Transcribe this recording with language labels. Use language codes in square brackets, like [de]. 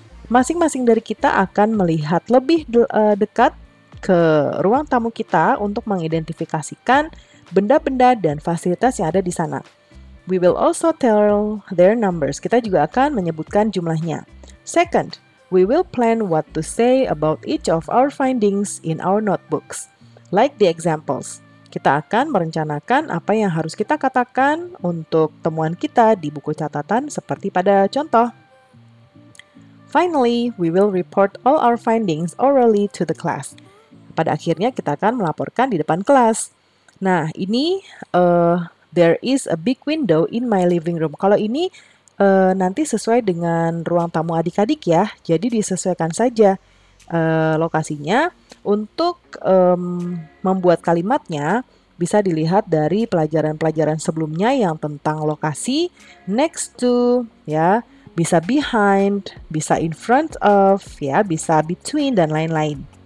[id] Masing-masing dari kita akan melihat lebih dekat ke ruang tamu kita untuk mengidentifikasikan benda-benda dan fasilitas yang ada di sana. [en] We will also tell their numbers. [id] Kita juga akan menyebutkan jumlahnya. [en] Second, we will plan what to say about each of our findings in our notebooks. Like the examples, [id] kita akan merencanakan apa yang harus kita katakan untuk temuan kita di buku catatan seperti pada contoh. [en] Finally, we will report all our findings orally to the class. [id] Pada akhirnya, kita akan melaporkan di depan kelas. Nah, ini, [en] there is a big window in my living room. [id] Kalau ini nanti sesuai dengan ruang tamu adik-adik ya, jadi disesuaikan saja lokasinya. Untuk membuat kalimatnya, bisa dilihat dari pelajaran-pelajaran sebelumnya yang tentang lokasi next to, ya, bisa behind, bisa in front of, ya, bisa between, dan lain-lain.